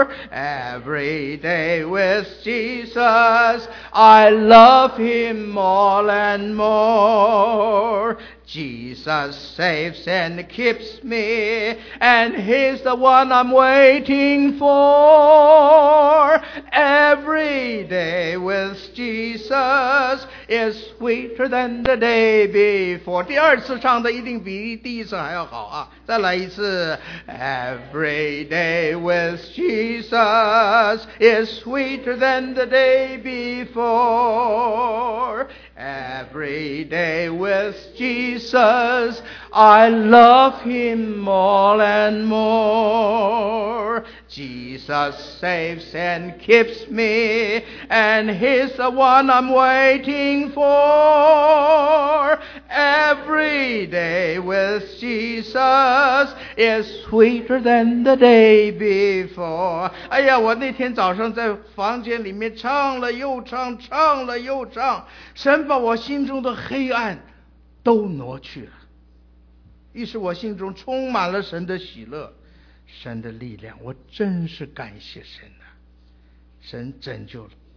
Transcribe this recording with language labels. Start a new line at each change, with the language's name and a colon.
English: Every day with Jesus, I love Him more and more. Jesus saves and keeps me, and he's the one I'm waiting for. Every day with Jesus is sweeter than the day before.
Chinese: 第二次唱的一定比第一次还要好啊，再来一次。
English: Every day with Jesus is sweeter than the day before. Every day with Jesus, I love him more and more. Jesus saves and keeps me, and he's the one I'm waiting for. Every day with Jesus is sweeter than the day before.
Chinese: 哎呀，我那天早上在房间里面唱了又唱，唱了又唱，神把我心中的黑暗都挪去了，于是我心中充满了神的喜乐，神的力量，我真是感谢神啊，神拯救了。